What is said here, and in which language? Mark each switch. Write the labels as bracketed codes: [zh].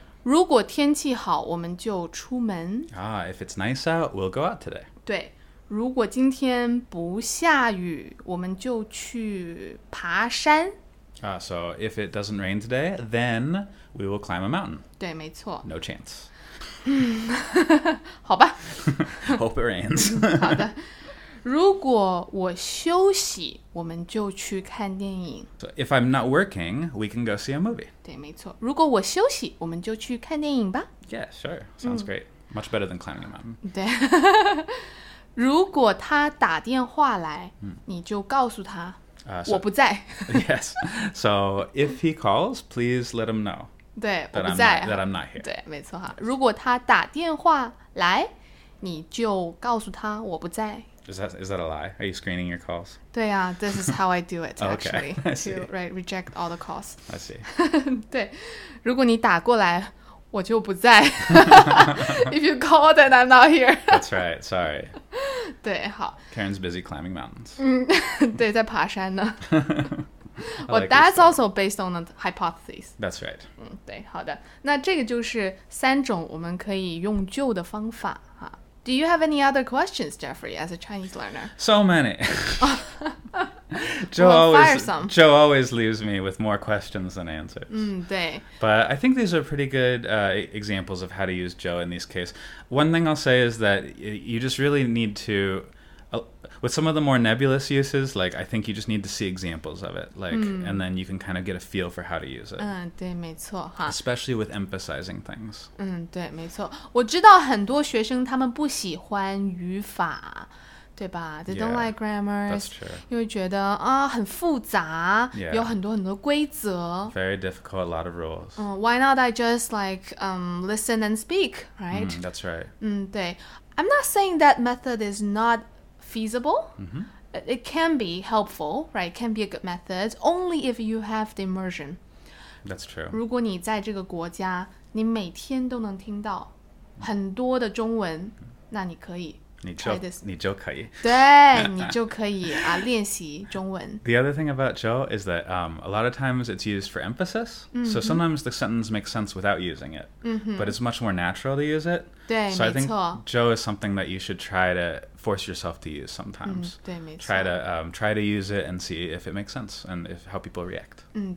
[zh] 如果天气好我们就出门。 [en] Ah, if it's nice out, we'll go out today. [zh] 对。如果今天不下雨我们就去爬山。 [en] Ah, so if it doesn't rain today, then we will climb a mountain. [zh] 对没错。 [en] No chance. [zh] 好吧 [en] Hope it rains [zh] 好的如果我休息我们就去看电影 [en] So if I'm not working, we can go see a movie [zh] 对没错如果我休息我们就去看电影吧 [en] Yeah, sure, sounds great Much better than climbing a mountain [zh] 对如果他打电话来你就告诉他我不在 [en] Yes, so if he calls, please let him know [zh] 对 [en] that [zh] 我不在 [en] that I'm not here [zh] 对没错哈如果他打电话来你就告诉他我不在 [en] is that a lie? Are you screening your calls? [zh] 对啊 [en] this is how I do it actually okay, I see. To right, reject all the calls I see [zh] 对如果你打过来我就不在 [en] if you call then I'm not here that's right sorry [zh] 对好 [en] Karen's busy climbing mountains [zh] 对在爬山呢 [en] Well, like that's also based on a hypothesis. That's right. [zh] 对，好的。那这个就是三种我们可以用就的方法。 [en] Do you have any other questions, Jeffrey, as a Chinese learner? So many. Joe always leaves me with more questions than answers. [zh] 对。 [en] But I think these are pretty good examples of how to use Joe in these cases. One thing I'll say is that you just really need to... With some of the more nebulous uses, like, I think you just need to see examples of it, like, and then you can kind of get a feel for how to use it. [zh] 对,没错,哈。 [en] Especially with emphasizing things. [zh] 对,没错。我知道很多学生他们不喜欢语法,对吧? [en] They don't like grammar. That's true. [zh] 因为觉得,很复杂,有很多很多规则。 [en] Very difficult, a lot of rules. Why not I just, like, listen and speak, right? That's right. [zh] 对。 [en] I'm not saying that method is not... feasible, it can be helpful, right? It can be a good method only if you have the immersion. That's true. [zh] 如果你在这个国家，你每天都能听到很多的中文，那你可以。你就可以。对，你就可以啊，练习中文。 [en] The other thing about 就 is that a lot of times it's used for emphasis. So sometimes the sentence makes sense without using it. But it's much more natural to use it. [zh] 对，没错。 [en] So I think 就 is something that you should try to force yourself to use sometimes. [zh] 对，没错。 [en] Try to use it and see if it makes sense and if how people react.